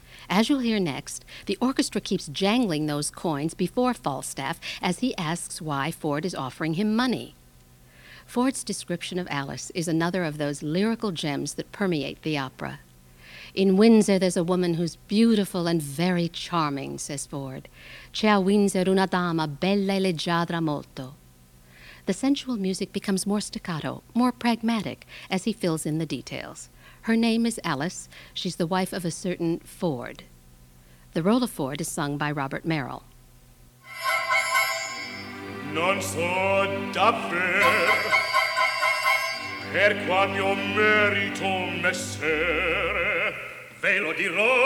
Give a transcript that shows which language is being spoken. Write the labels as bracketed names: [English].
[English] As you'll hear next, the orchestra keeps jangling those coins before Falstaff as he asks why Ford is offering him money. Ford's description of Alice is another of those lyrical gems that permeate the opera. "In Windsor there's a woman who's beautiful and very charming," says Ford. [Italian] "C'è a Windsor una dama bella e leggiadra molto." [English] The sensual music becomes more staccato, more pragmatic, as he fills in the details. Her name is Alice. She's the wife of a certain Ford. The role of Ford is sung by Robert Merrill. [Italian] Non so davvero per qual mio merito m'essere, ve lo dirò.